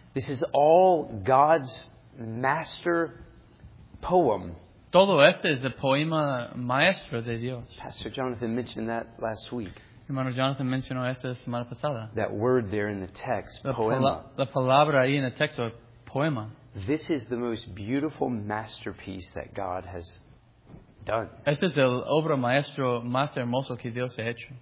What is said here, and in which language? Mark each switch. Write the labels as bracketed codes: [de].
[en] This is all God's master poem. [es] Todo esto es el poema maestro de Dios. [en] Pastor Jonathan mentioned that last week. [es] Hermano Jonathan mencionó esto la semana pasada. [en] That word there in the text, [es] la poema. La palabra ahí en el texto, poema. [en] This is the most beautiful masterpiece that God has done. [es] Esta es el obra maestro más hermoso que Dios ha hecho.